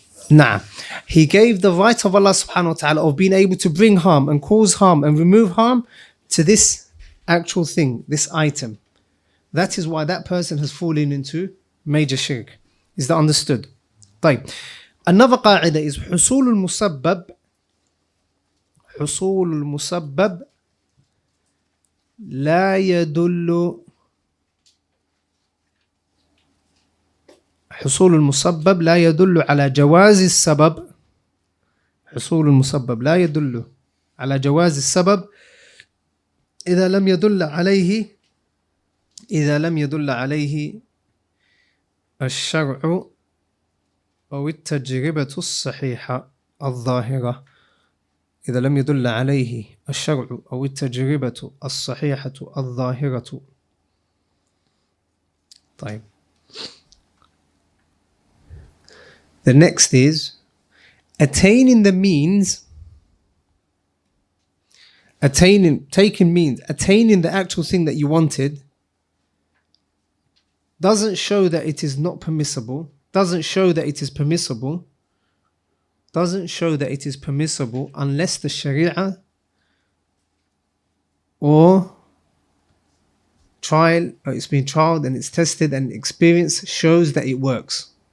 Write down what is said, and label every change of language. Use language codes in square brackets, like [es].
[en] Nah. He gave the right of Allah subhanahu wa ta'ala of being able to bring harm and cause harm and remove harm to this actual thing, this item. That is why that person has fallen into major shirk. Is that understood? طيب. Another qa'idah is [ar] حصول المسبب لا يدل حصول المسبب لا يدل على جواز السبب حصول المسبب لا يدل على جواز السبب إذا لم يدل عليه الشرع أو التجربة الصحيحة الظاهرة إذا لم يدل عليه الشرع أو التجربة الصحيحة الظاهرة طيب. [en] The next is attaining the actual thing that you wanted doesn't show that it is not permissible, doesn't show that it is permissible unless the Sharia or trial, or it's been trialed and it's tested and experience shows that it works.